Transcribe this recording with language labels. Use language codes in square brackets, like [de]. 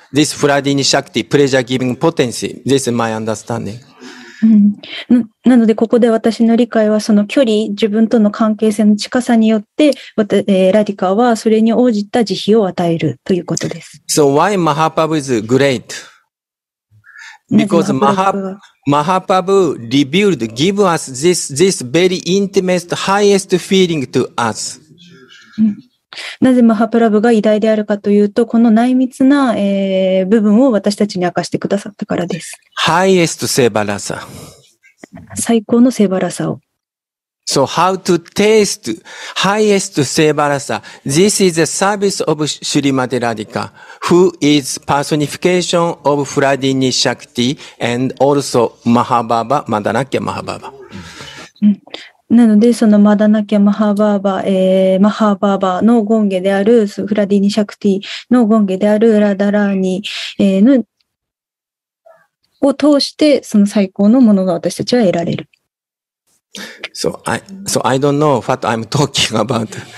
[en] This Pradini Shakti, pleasure giving potency. This is my understanding. [ja] なので、ここで私の理解は、その距離、自分との関係性の近さによって、ラディカはそれに応じた慈悲を与えるということです。 [en] So why Mahaprabhu is great? Because Mahaprabhu revealed, give us this very intimate, highest feeling to us. [ja] なぜマハプラブが偉大であるかというと、この内密な、部分を私たちに明かしてくださったからです。 [en] Highest sevarasa. [ja] 最高のセバラサを。 [en] So how to taste highest sevarasa? This is a service of Srimati Radhika, who is personification of Pradini Shakti and also Mahababa, Madanakya Mahababa. [ja] なので、そのマダナキャ・マハバーバ、マハバーバのゴンゲである、フラディニ・シャクティのゴンゲである、ラダラーニ、を通して、その最高のものが私たちは得られる。 [en] So I don't know what I'm talking about.